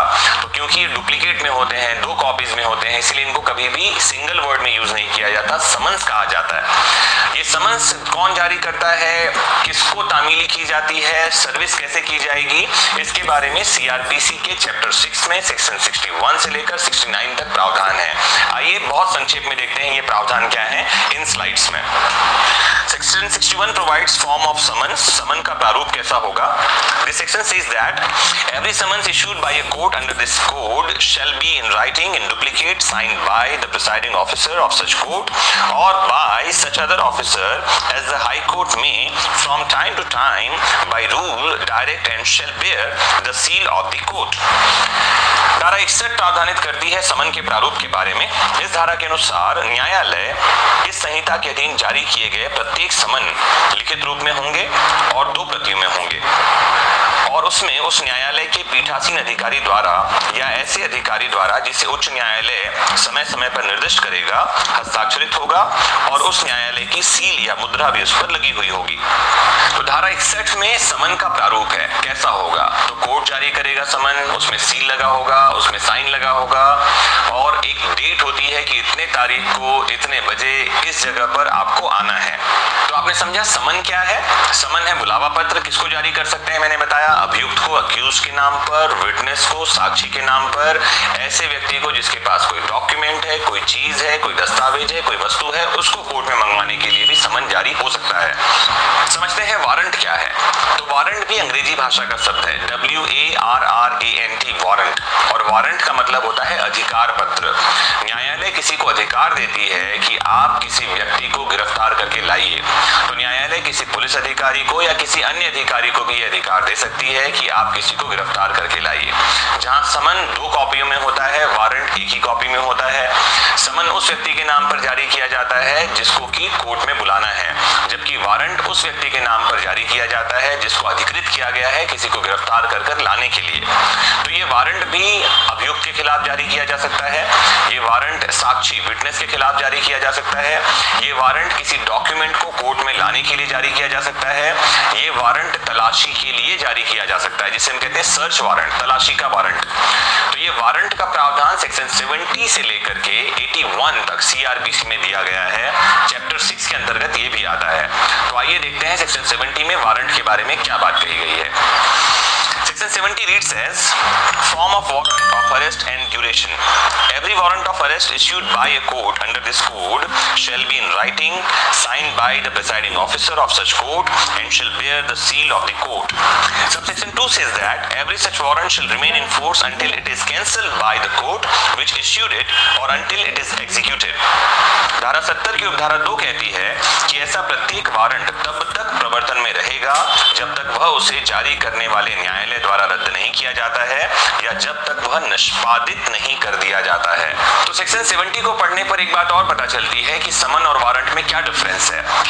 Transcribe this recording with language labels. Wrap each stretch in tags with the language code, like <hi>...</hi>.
<hi>इसलिए इनको कभी भी सिंगल वर्ड में यूज नहीं किया जाता, समन्स कहा जाता है। ये समन्स कौन जारी करता है, किसको तामीली की जाती है, सर्विस कैसे की जाएगी, इसके बारे में सीआरपीसी के चैप्टर 6 में सेक्शन 61 से लेकर 69 तक प्रावधान है। आइए बहुत संक्षेप में देखते हैं ये प्रावधान क्या है इन स्लाइड्स में।</hi> <en>Section 61 provides form of summons.</en> <hi>Summon का प्रारूप कैसा होगा?</hi> <en>This section says that every summons issued by a court under this code shall be in writing in duplicate signed by the presiding officer of such court or by such other officer as the High Court may from time to time by rule direct and shall bear the seal of the court.</en> <hi>धारा 61 प्रावधानित करती है समन के प्रारूप के बारे में। इस धारा के अनुसार न्यायालय इस संहिता के अधीन जारी किए गए प्रत्येक समन लिखित रूप में होंगे और दो प्रतियों में होंगे और उसमें उस न्यायालय के पीठासीन अधिकारी द्वारा या ऐसे अधिकारी द्वारा जिसे उच्च न्यायालय समय समय पर निर्दिष्ट करेगा हस्ताक्षरित होगा और उस न्यायालय की सील या मुद्रा भी उस पर लगी हुई होगी। तो धारा 61 में समन का प्रारूप है कैसा होगा? तो कोर्ट जारी करेगा समन, उसमें सील लगा होगा, उसमें साइन लगा होगा और एक डेट होती है कि इतने तारीख को इतने बजे इस जगह पर आपको आना है। तो आपने समझा समन क्या है? समन है बुलावा पत्र। किसको जारी कर सकते हैं? मैंने बताया अभियुक्त को, अक्यूज के नाम पर, विटनेस को, साक्षी के नाम पर, ऐसे व्यक्ति को जिसके पास कोई डॉक्यूमेंट है, कोई चीज है, कोई दस्तावेज है, कोई वस्तु है, उसको कोर्ट में मंगवाने के लिए भी समन जारी हो सकता है। समझते हैं वारंट क्या है। तो वारंट भी अंग्रेजी भाषा का शब्द है, WARRANT, वारंट। और वारंट का मतलब होता है अधिकार पत्र। न्यायालय किसी को अधिकार देती है कि आप किसी व्यक्ति को गिरफ्तार करके लाइए। तो न्यायालय किसी पुलिस अधिकारी को या किसी अन्य अधिकारी को भी अधिकार दे सकती है कि आप किसी को गिरफ्तार करके लाइए। जहां समन दो कॉपियों में होता है, वारंट एक ही कॉपी में होता है। समन उस व्यक्ति के नाम पर जारी किया जाता है जिसको कि कोर्ट में बुलाना है, जबकि वारंट उस व्यक्ति के नाम पर जारी किया जाता है जिसको अधिकृत किया गया है किसी को गिरफ्तार कर लाने के लिए। तो ये वारंट भी अभियुक्त के खिलाफ जारी किया जा सकता है, ये वारंट साक्षी विटनेस के खिलाफ जारी किया जा सकता है, ये वारंट किसी डॉक्यूमेंट को कोर्ट में लाने के लिए जारी किया जा सकता है, ये वारंट तलाशी के लिए जारी किया जा सकता है जिसे हम कहते हैं सर्च वारंट, तलाशी का वारंट। तो ये वारंट का प्रावधान सेक्शन 70 से लेकर के 81 तक सीआरपीसी में दिया गया है। चैप्टर 6 के अंतर्गत ये भी आता है। तो आइए देखते हैं सेक्शन 70 में वारंट के बारे में क्या बात कही गई है।</hi> <en>Section 70 reads as, form of warrant of arrest and duration. Every warrant of arrest issued by a court under this code shall be in writing, signed by the presiding officer of such court and shall bear the seal of the court. Subsection 2 says that, every such warrant shall remain in force until it is cancelled by the court which issued it or until it is executed.</en> <hi>धारा 70 की उपधारा 2 कहती है कि ऐसा प्रत्येक warrant तब तक प्रवर्तन में रहेगा जब तक वह उसे जारी करने वाले न्यायालय द्वारा रद्द नहीं किया जाता है या जब तक वह निष्पादित नहीं कर दिया जाता है। तो सेक्शन 70 को पढ़ने पर एक बात और पता चलती है कि समन और वारंट में क्या डिफरेंस है।</hi>